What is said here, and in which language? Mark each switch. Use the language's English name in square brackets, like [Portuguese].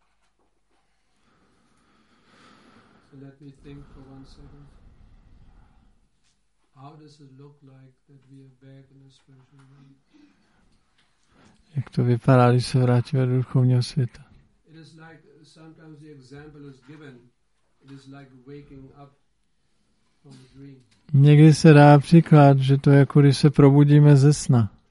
[English] In particular. So let me think for 1 second. How does it look like that we are back in a spiritual world? [Czech] Jak to vypadá, když se vrátíme do duchovního světa? [English] It is like sometimes the example is given. It is like waking up from a dream. [Czech] Někdy se dá příklad, že to je jako když se probudíme ze sna.